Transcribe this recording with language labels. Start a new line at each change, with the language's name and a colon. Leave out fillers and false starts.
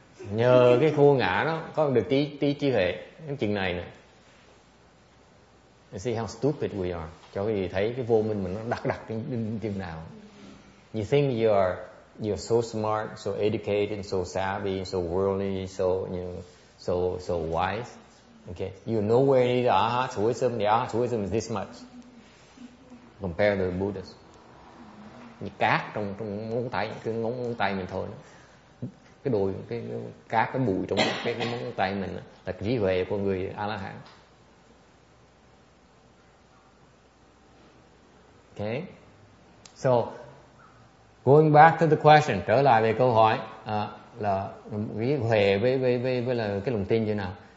Vietnamese: Nhờ cái khu ngã đó có được tí trí huệ. Cái chuyện này nè,
English: you see how stupid we are.
Vietnamese: Cho quý vị thấy cái vô minh mình nó đặc đến chừng nào.
English: You think you're so smart, so educated, so savvy, so worldly, so wise. Okay, you know where the Arhat's wisdom. The Arhat's wisdom is this much compared to the Buddha's.
Vietnamese: Như cát trong ngón tay, cứ ngón tay mình thôi đó. Cái đồi, cái cát, cái bụi trong cái móng tay mình đó, là trí huệ của người A-la-hán.
English: Ok. So, going back to the question,
Vietnamese: trở lại về câu hỏi là trí huệ với là cái lòng tin như nào.